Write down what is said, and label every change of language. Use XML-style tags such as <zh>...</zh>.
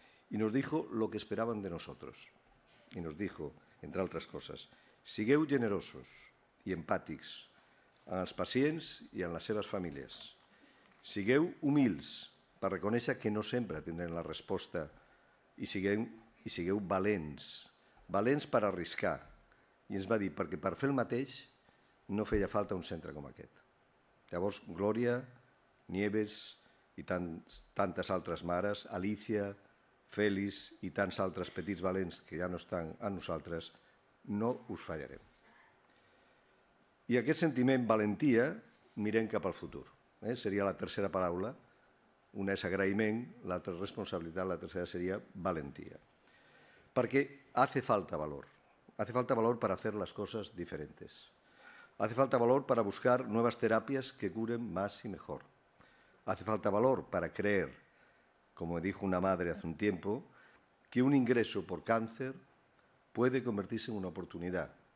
<es>Y nos dijo lo que esperaban de nosotros. Y nos dijo, entre otras cosas,</es> <ca>sigueu</ca> <es>generosos y empáticos a los pacientes y a las</es> <ca>seves</ca> <es>familias.</es> <ca>Sigueu humils</ca> <es>para reconocer que no siempre tendrán la respuesta y</es> <ca>sigueu valents, valents</ca> <es>para</es> <ca>arriscar.</ca> <es>Y</es> <ca>ens va dir, perquè per fer el mateix no feia falta un centre com aquest. Llavors, Glòria, Nieves i tantes altres mares, Alicia, Félix i tants altres petits valents que ja no estan a nosaltres, no us fallarem. I aquest sentiment, valentia, mirem cap al futur. Seria la tercera paraula. Una és agraïment, l'altra és responsabilitat, la tercera seria valentia. Perquè</ca> <es>hace falta valor. Hace falta valor para hacer las cosas diferentes. Hace falta valor para buscar nuevas terapias que curen más y mejor. Hace falta valor para creer, como me dijo una madre hace un tiempo, que un ingreso por cáncer puede convertirse en una oportunidad.</es>